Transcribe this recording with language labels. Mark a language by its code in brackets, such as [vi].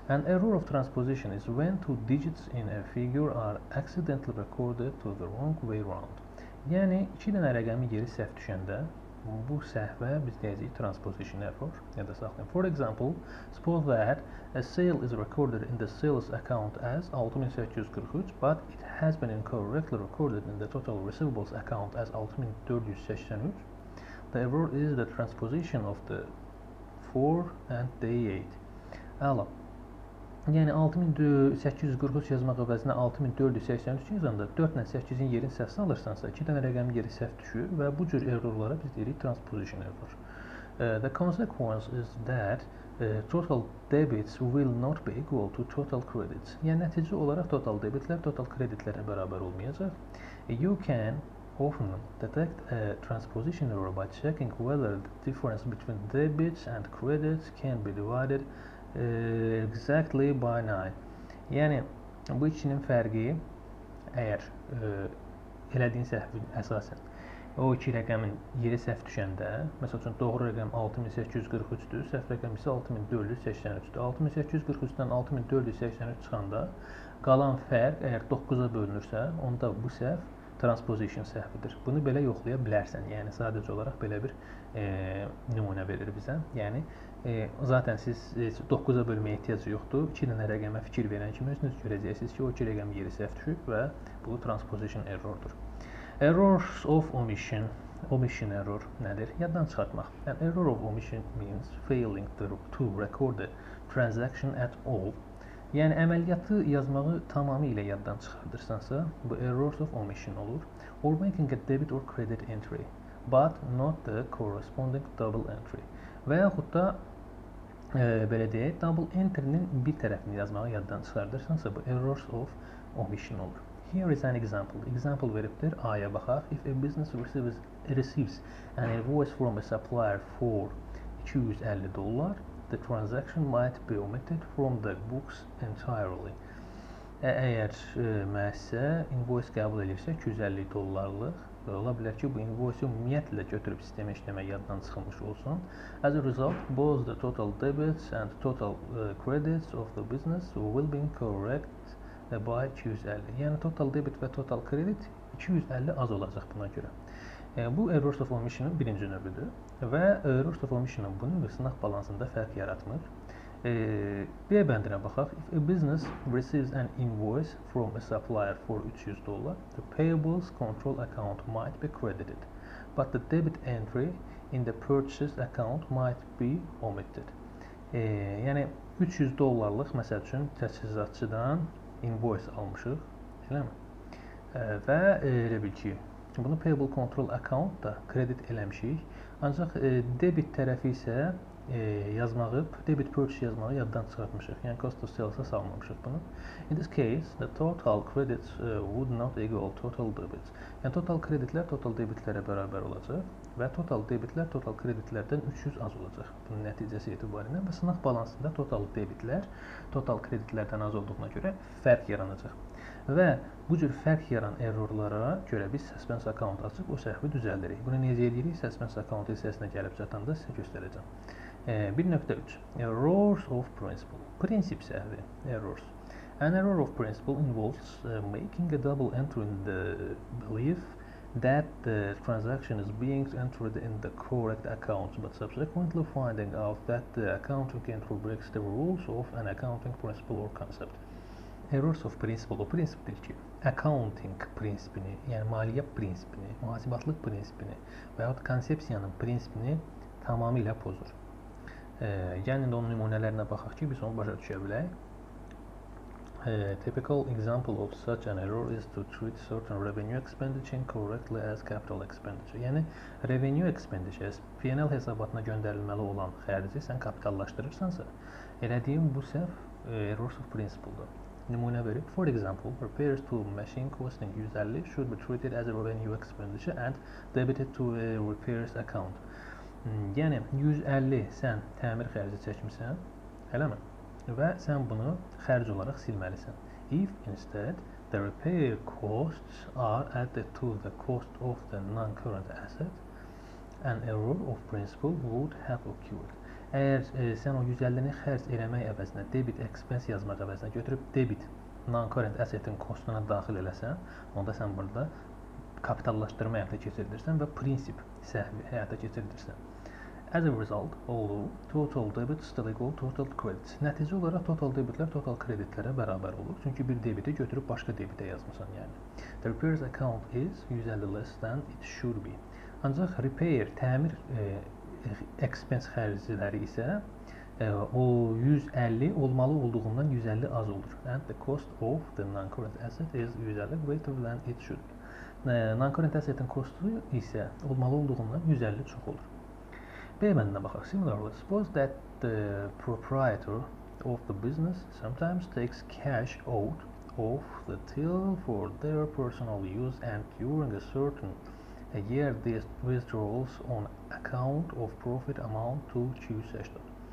[en] An error of transposition is when two digits in a figure are accidentally recorded to the wrong way round. [az] Yəni, iki dənə rəqəmi geri səhv düşəndə bu səhvə biz deyəcəyik transposition error. Ya da saxlayın. [en] For example, suppose that a sale is recorded in the sales account as 6843, but it has been incorrectly recorded in the total receivables account as 6483. The error is the transposition of the 4 and the 8. [az] Əla. Yəni 6843 yazmaq əvəzinə 6483 yazanda 4 ilə 8-in yerini səhv salırsansa 2 dənə rəqəm geri səhv düşür və bu cür errorlara biz deyirik transposition error. [en] The consequence is that total debits will not be equal to total credits. [az] Yəni nəticə olaraq total debitlər total kreditlərə bərabər olmayacaq. [en] You can often detect a transposition error by checking whether the difference between debits and credits can be divided exactly by 9. [az] Yəni, bu ikinin fərqi, əgər elədiyin səhvin əsasən, o iki rəqəmin yeri səhv düşəndə, məsəl üçün, doğru rəqəm 6843-dür, səhv rəqəm isə 6483-dür. 6843-dən 6483 çıxanda qalan fərq, əgər 9-a bölünürsə, onda bu səhv transposition səhvidir. Bunu belə yoxlaya bilərsən. Yəni, sadəcə olaraq belə bir nümunə verir bizə. Yəni, zaten siz 9-a bölməyə ehtiyacı yoxdur. 2 dənə rəqəmə fikir verən kimi özünüz görəcəksiniz ki, o 2 rəqəm yeri səhv düşüb və bu transposition errordur. Errors of omission. Omission error nədir? Yaddan çıxartmaq. [en] An error of omission means failing to record a transaction at all. [az] Yəni, əməliyyatı yazmağı tamamilə yaddan çıxardırsansa, bu errors of omission olur. [en] Or making a debit or credit entry, but not the corresponding double entry. [az] Və yaxud da, belə deyək, double entry-nin bir tərəfini yazmağı yaddan çıxardırsansa, bu errors of omission olur. [en] Here is an example. [az] Example veribdir, A-ya baxaq. [en] If a business receives an invoice from a supplier for $250, the transaction might be omitted from the books entirely. [az] Əgər məhsə invoice qəbul edirsə $250-lıq, ola bilər ki, bu invoice-i ümumiyyətlə götürüb sistemə işləmək yaddan çıxılmış olsun. As a result, both the total debits and total credits of the business will be incorrect by $250. Yəni, total debit və total credit $250 az olacaq buna görə. Bu errors of omission-ın birinci növüdür və errors of omission-ın bunun və sınaq balansında fərq yaratmır. B bəndinə baxaq. [en] If a business receives an invoice from a supplier for $300, the payables control account might be credited, but the debit entry in the purchase account might be omitted. [az] Yəni, $300-lıq, məsəl üçün, təchizatçıdan invoice almışıq, eləmi? Və elə bil ki, bunu payable control account da kredit eləmişik. Ancaq debit tərəfi isə yazmağı, debit purchase yazmağı yaddan çıxartmışıq. Yəni, cost of sales-a salmamışıq bunu. [en] In this case, the total credits would not equal total debits. [az] Yəni, total kreditlər total debitlərə bərabər olacaq və total debitlər total kreditlərdən 300 az olacaq. Bunun nəticəsi etibarilə və sınaq balansında total debitlər total kreditlərdən az olduğuna görə fərq yaranacaq. Və bu cür fərq yaran errorlara görə biz suspense account açıq, o səhvi düzəldirik. Bunu necə edirik? Suspense account hissəsinə gəlib çatanda sizə göstərəcəm. 1.3. Errors of principle. Prinsip səhvi. Errors. [en] An error of principle involves making a double entry in the belief that the transaction is being entered in the correct account, but subsequently finding out that the accounting entry breaks the rules of an accounting principle or concept. [az] Errors of principle, o prinsipdir ki, accounting prinsipini, yəni maliyyə prinsipini, mühasibatlıq prinsipini və yaxud konsepsiyanın prinsipini tamamilə pozur. Yəni, onun nümunələrinə baxaq ki, biz onu başa düşə bilək. [en] A typical example of such an error is to treat certain revenue expenditure incorrectly as capital expenditure. [az] Yani revenue expenditures, P&L hesabatına gönderilmeli olan xərci sən kapitallaşdırırsansə, elədiyin bu səhv errors of principle-dur. Nümunə verib, [en] for example, repairs to machine costing 150 should be treated as a revenue expenditure and debited to a repairs account. [az] Yəni 150 sən təmir xərci çəkmisən, eləmi? Və sən bunu xərc olaraq silməlisən. [en] If instead the repair costs are added to the cost of the non-current asset, an error of principle would have occurred. [az] Əgər sən o 150-ni xərc eləmək əvəzinə debit expense yazmaq əvəzinə götürüb debit non-current asset-in kostuna daxil eləsən, onda sən burada kapitallaşdırma həyata keçirdirsən və prinsip səhvi həyata keçirdirsən. [en] As a result, although total debit still equal total credits. [az] Nəticə olaraq total debitlər total kreditlərə bərabər olur. Çünki bir debiti götürüb başqa debitə yazmışsan yəni. [en] The repairs account is 150 less than it should be. [az] Ancaq repair, təmir expense xərcləri isə o 150 olmalı olduğundan 150 az olur. [en] And the cost of the non-current asset is 150 greater than it should be. [az] Non-current asset-in kostu isə olmalı olduğundan 150 çox olur. B mənimlə baxaq. [en] Similarly, suppose that the proprietor of the business sometimes takes cash out of the till for their personal use and during a certain year these withdrawals on account of profit amount to 280.